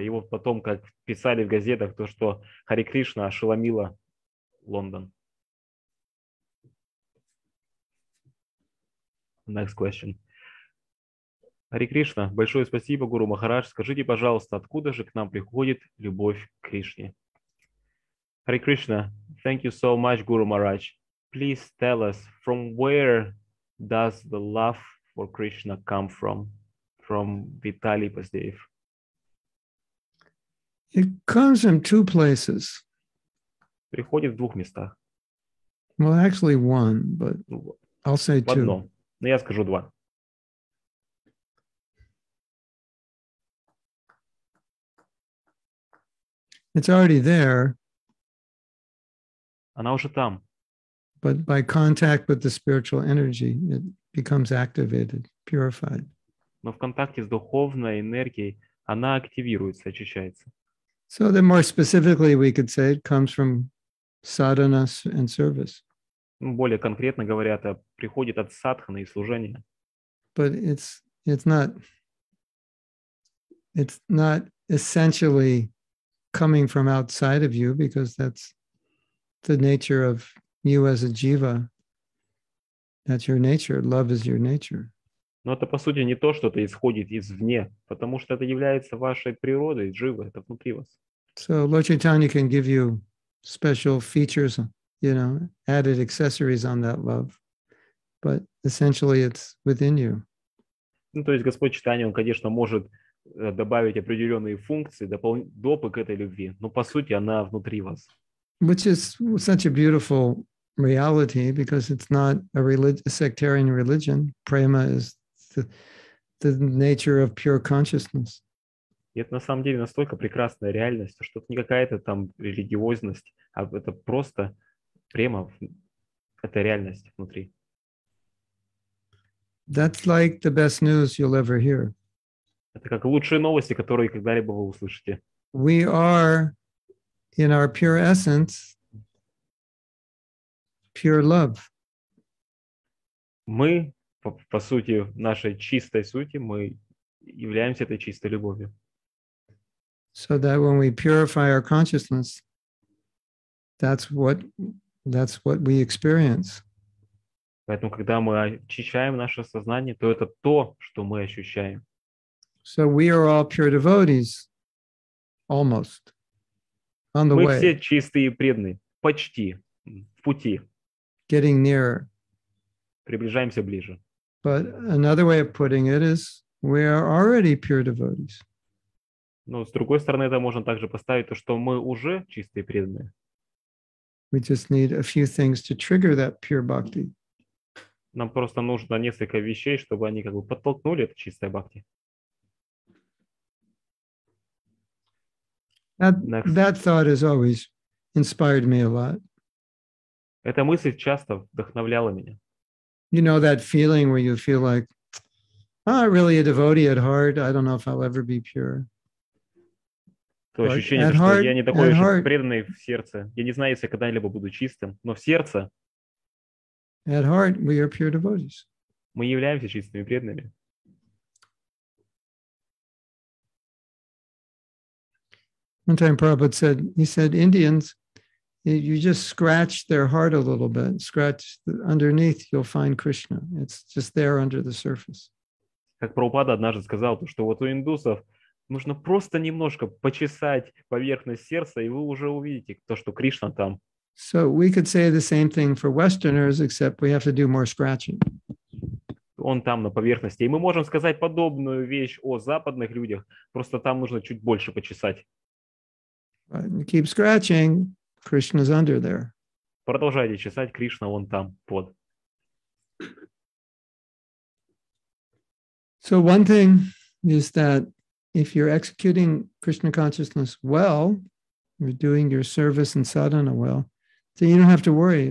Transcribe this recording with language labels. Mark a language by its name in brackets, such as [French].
[Russian] И вот потом, как писали в газетах, то, что Хари Кришна ошеломила Лондон. [English] Next question. [Russian] Хари Кришна, большое спасибо, Гуру Махарадж. Скажите, пожалуйста, откуда же к нам приходит любовь к Кришне? [English] Хари Кришна, thank you so much, Гуру Махарадж. Please tell us, from where does the love for Krishna come from? From Vitali Pasdev. It comes from 2 places. [Russian] Приходит в 2 местах. [English] Well, actually one, but I'll say 2. [Russian] Одно. Но я скажу 2. [English] It's already there. [Russian] Она уже там. [English] But by contact with the spiritual energy, it becomes activated, purified. [Russian] Но в контакте с духовной энергией она активируется, очищается. [English] So then more specifically we could say it comes from sadhana and service. [Russian] Более конкретно говоря, это приходит от садханы и служения. [English] But it's not essentially coming from outside of you, because that's the nature of you as a jiva. That's your nature. Love is your nature. [Russian] Но это, по сути, не то, что-то исходит извне, потому что это является вашей природой, дживой, это внутри вас. [English] So Lord Chaitanya can give you special features, you know, added accessories on that love, but essentially it's within you. [Russian] Ну, то есть Господь Читание, он, конечно, может добавить определенные функции, допы к этой любви, но по сути она внутри вас. [English] Which is such a beautiful reality, because it's not a sectarian religion. Prema is the nature of pure consciousness. [Russian] И это на самом деле настолько прекрасная реальность, что это не какая-то там религиозность, а это просто према, это реальность внутри. [English] That's like the best news you'll ever hear. [Russian] Это как лучшие новости, которые когда-либо вы услышите. [English] We are, in our pure essence, pure love. [Russian] Мы, по сути, в нашей чистой сути, мы являемся этой чистой любовью. [English] So that when we purify our consciousness, that's what we experience. [Russian] Поэтому, когда мы очищаем наше сознание, то это то, что мы ощущаем. [English] So we are all pure devotees, almost, on the way. [Russian] все чистые и преданные, почти, в пути. [English] Getting nearer. [Russian] Приближаемся ближе. [English] But another way of putting it is, we are already pure devotees. [Russian] Но с другой стороны, это можно также поставить то, что мы уже чистые и преданные. [English] We just need a few things to trigger that pure bhakti. [Russian] Нам просто нужно несколько вещей, чтобы они как бы подтолкнули это чистое бхакти. [English] That thought has always inspired me a lot. [Russian] Эта мысль часто вдохновляла меня. [English] You know that feeling where you feel like, I'm not really a devotee at heart, I don't know if I'll ever be pure. [Russian] То ощущение, что [English] heart, [Russian] я не такой уж heart, преданный в сердце. Я не знаю, если я когда-либо буду чистым, но в сердце. [English] At heart, we are pure devotees. [Russian] Мы являемся чистыми преданными. [English] One time Prabhupada said, he said, Indians, you just scratch their heart a little bit, scratch underneath, you'll find Krishna. It's just there under the surface. [Russian] Как Прабхупада однажды сказал, что вот у индусов нужно просто немножко почесать поверхность сердца, и вы уже увидите то, что Кришна там. [English] So we could say the same thing for Westerners, except we have to do more scratching. [Russian] Он там на поверхности. И мы можем сказать подобную вещь о западных людях, просто там нужно чуть больше почесать. [English] Keep scratching, Krishna's under there. [Russian] Продолжайте чесать, Кришна вон там, под. [English] So one thing is that if you're executing Krishna consciousness well, you're doing your service and sadhana well, so you don't have to worry.